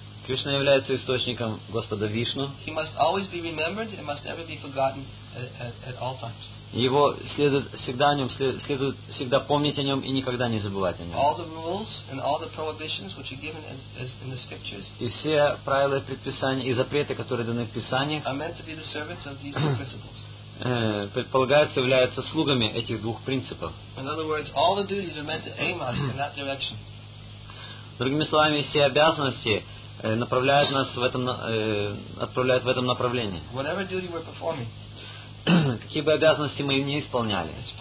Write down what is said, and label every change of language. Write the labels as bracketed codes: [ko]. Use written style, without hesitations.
[ru] Кришна является источником Господа Вишну. [en] He must always be remembered and must never be forgotten at all times. [ru] Его следует всегда о нем, следует всегда помнить о нем и никогда не забывать о нем. [en] All the rules and all the prohibitions which are given as in the scriptures. [ru] И все правила и предписания и запреты, которые даны в Писаниях. [en] Are meant to be the servants of these two principles. [ru] Предполагается, являются слугами этих двух принципов. [en] In other words, all the duties are meant to aim us in that direction. [ru] Другими словами, все обязанности направляют нас в этом, отправляют в этом направлении. [en] Whatever duty we're performing. [ru] Какие бы обязанности мы им не исполняли.